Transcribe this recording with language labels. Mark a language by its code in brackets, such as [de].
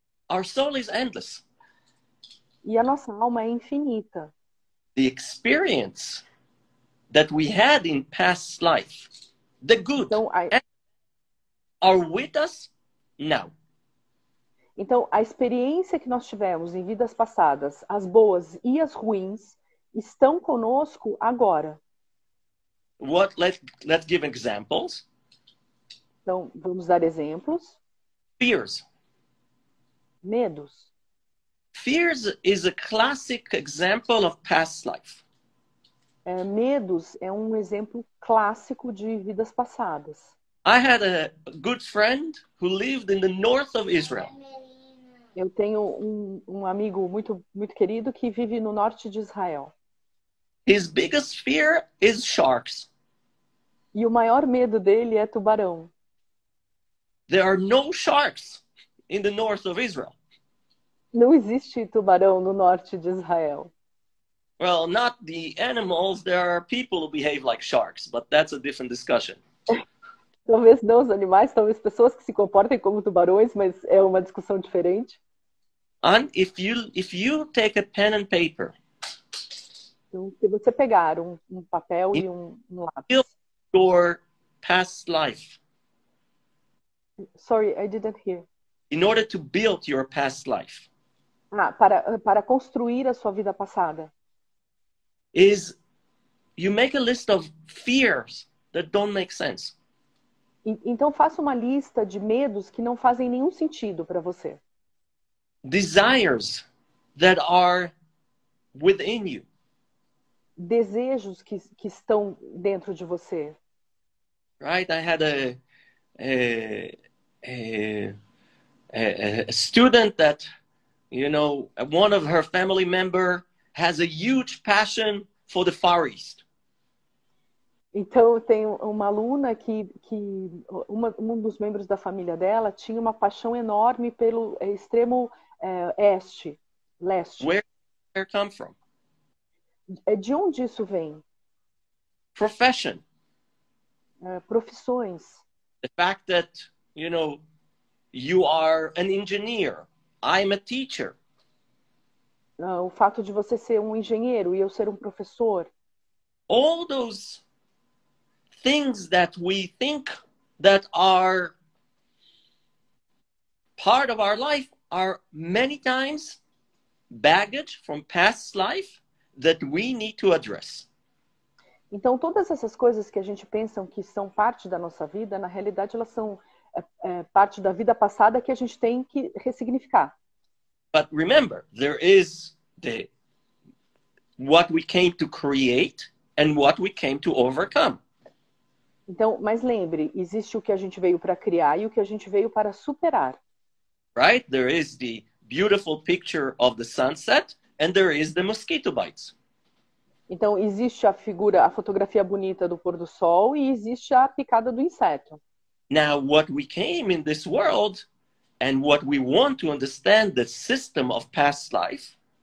[en] Our soul is endless. [pt] E a nossa alma é infinita. [en] The experience that we had in past life, the good, are with us now. [pt] Então, a experiência que nós tivemos em vidas passadas, as boas e as ruins, estão conosco agora. [en] Let's give examples. [pt] Então, vamos dar exemplos. [en] Fears. [pt] Medos. [en] Fears is a classic example of past life. [pt] Medos é um exemplo clássico de vidas passadas. [en] I had a good friend who lived in the north of Israel. [pt] Eu tenho um amigo muito, muito querido que vive no norte de Israel. [en] His biggest fear is sharks. [pt] E o maior medo dele é tubarão. [en] There are no sharks in the north of Israel. [pt] Não existe tubarão no norte de Israel. [en] Well, not the animals, there are people who behave like sharks, but that's a different discussion. [pt] Talvez não os animais, talvez pessoas que se comportem como tubarões, mas é uma discussão diferente. [en] And if you take a pen and paper. [pt] Então, se você pegar um papel e um lápis. [en] Your past life. Sorry, I didn't hear. In order to build your past life. [pt] Ah, para construir a sua vida passada. [en] Is you make a list of fears that don't make sense. [pt] Então faça uma lista de medos que não fazem nenhum sentido para você. [en] Desires that are within you. [pt] Desejos que estão dentro de você. [en] Right, I had a student that, you know, one of her family member has a huge passion for the Far East. [pt] Então, tem uma aluna que um dos membros da família dela tinha uma paixão enorme pelo extremo este, leste. [en] Where did it come from? [pt] De onde isso vem? [en] Profession. [pt] Profissões. [en] The fact that, you know, you are an engineer. I'm a teacher. [pt] O fato de você ser um engenheiro e eu ser um professor. [en] All those things that we think that are part of our life are many times baggage from past life that we need to address. [pt] Então, todas essas coisas que a gente pensa que são parte da nossa vida, na realidade, elas são parte da vida passada que a gente tem que ressignificar. [en] But remember, there is the what we came to create and what we came to overcome. [pt] Então, mas lembre, existe o que a gente veio para criar e o que a gente veio para superar. [en] Right? There is the beautiful picture of the sunset and there is the mosquito bites. [pt] Então, existe a figura, a fotografia bonita do pôr do sol e existe a picada do inseto. [en] Now, what we came in this world and what we want to understand the system of past life.